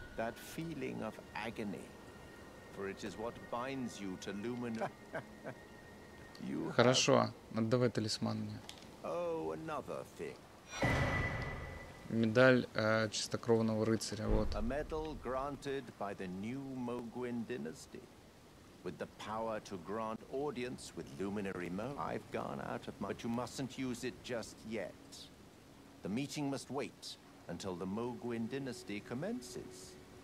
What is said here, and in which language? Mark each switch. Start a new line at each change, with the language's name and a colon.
English: That feeling of agony, for it is what binds you to Lumina. You have...
Russian: Хорошо, отдавай талисман мне.
English: Oh, another thing.
Russian: Медаль чистокровного рыцаря, вот.
English: A medal granted by the new Moguin dynasty, with the power to grant audience with luminary Mo. I've gone out of my... But you mustn't use it just yet. The meeting must wait until the Moguin dynasty commences.